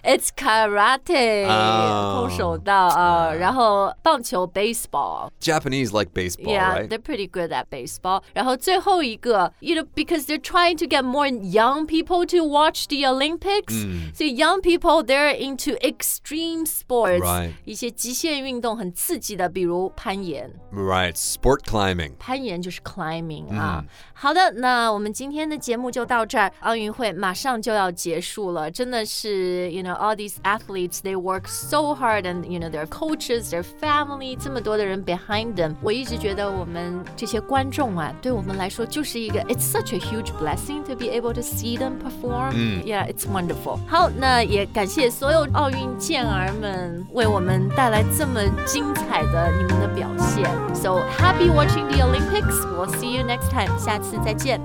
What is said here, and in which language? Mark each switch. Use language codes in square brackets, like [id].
[en] It's karate, 空手道. Yeah. [zh] 然后棒球 baseball. [en] Japanese like baseball, yeah, Yeah, they're pretty good at baseball. [zh] 然后最后一个, [en] you know, because they're trying to get more young people to watch the Olympics. So young people,They're into extreme sports. Right. [zh] 一些极限运动很刺激的，比如攀岩。 [en] Right, sport climbing. [zh] 攀岩就是 climbing. 好的，那我们今天的节目就到这儿。奥运会马上就要结束了，真的是 [en] you know, all these athletes, they work so hard and you know, their coaches, their family, [zh] 这么多的人 [en] behind them. [zh] 我一直觉得我们这些观众啊，对我们来说就是一个 [en] it's such a huge blessing to be able to see them perform. Yeah, it's wonderful. [zh] 好，那也感谢所有奥运健儿们为我们带来这么精彩的你们的表现。 [en] So happy watching the Olympics. We'll see you next time. [zh] 下次再见。